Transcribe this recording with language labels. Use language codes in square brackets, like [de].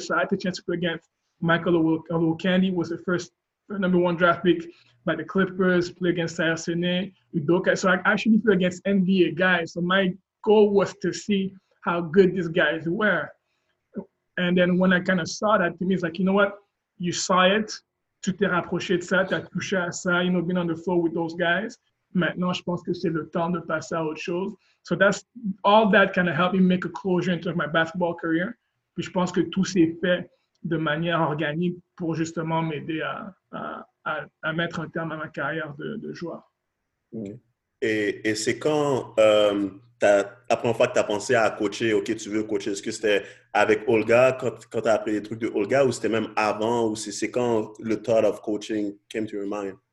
[en] So I had the chance to play against Michael Olowokandi, was the first number one draft pick by the Clippers, play against Saya Sene, Udoka. So I actually played against NBA guys. So my goal was to see how good these guys were. And then when I kind of saw that, to me, it's like, you know what? You saw it. [fr] Tu t'es rapproché de ça. T'as touché à ça. [en] You know, been on the floor with those guys. [fr] Maintenant, je pense que c'est le temps de passer à autre chose. [en] So that's all that kind of helped me make a closure in terms of my basketball career. [fr] Puis je pense que tout s'est fait de manière organique pour justement m'aider à mettre un terme à ma carrière de joueur. Et c'est quand, la première fois que tu as pensé à coacher, OK, tu veux coacher, est-ce que c'était avec Olga, quand tu as appris les trucs de Olga, ou c'était même avant, ou c'est quand le [en] thought of coaching came to your mind?